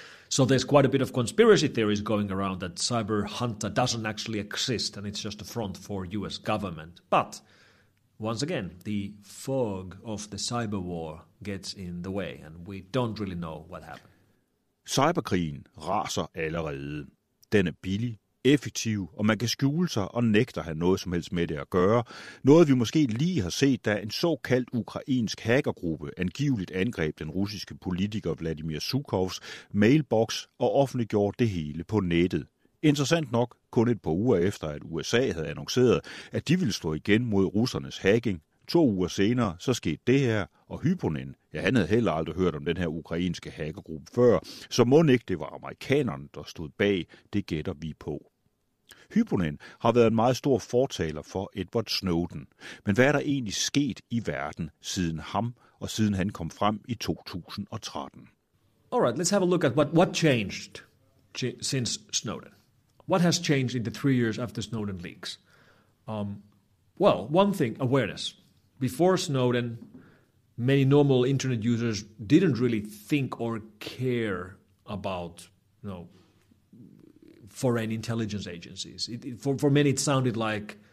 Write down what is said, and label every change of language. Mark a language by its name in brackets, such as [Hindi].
[English] So there's quite a bit of conspiracy theories going around that Cyber Hunter doesn't actually exist and it's just a front for US government. But once again, the fog of the cyber war gets in the way and we don't really know what happened. [Danish] Cyberkrigen raser allerede. Den er billig, effektiv, og man kan skjule sig og nægte at have noget som helst med det at gøre. Noget, vi måske lige har set, da en såkaldt ukrainsk hackergruppe angiveligt angreb den russiske politiker Vladimir Sukovs mailbox og offentliggjorde det hele på nettet. Interessant nok, kun et par uger efter, at USA havde annonceret, at de ville slå igen mod russernes hacking. To uger senere, så skete det her, og Hyponen, ja, han havde heller aldrig hørt om den her ukrainske hackergruppe før, så mon ikke det var amerikanerne, der stod bag, det gætter vi på. Hyponen har været en meget stor fortaler for Edward Snowden, men hvad er der egentlig sket i verden siden ham, og siden han kom frem i 2013? [English] All right, let's have a look at what changed since Snowden. What has changed in the 3 years after Snowden leaks? Well, one thing, awareness. Before Snowden, many normal internet users didn't really think or care about, foreign intelligence agencies. For many, it sounded like